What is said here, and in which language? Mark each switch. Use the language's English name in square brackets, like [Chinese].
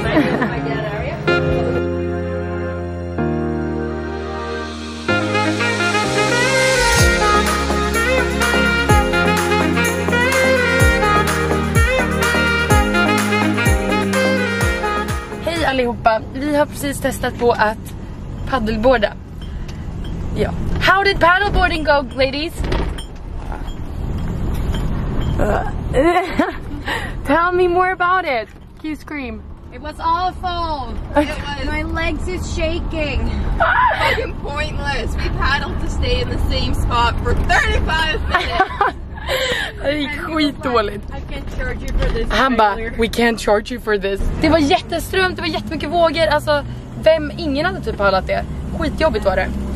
[Swedish] Hej allihopa. Vi har precis testat på att paddleboarda. Ja. [English] How did paddleboarding go, ladies? Tell me more about it. Can you scream? It was awful. My legs is shaking. Fucking pointless. We paddled to stay in the same spot for 35 minutes. [Swedish] Det gick skitdåligt. [English] I can't charge you for this. [Swedish] Han bara, [English] we can't charge you for this. [Swedish] Det var jätteströmt, det var jättemycket vågor. Alltså, ingen hade typ paddlat det. Skitjobbigt var det.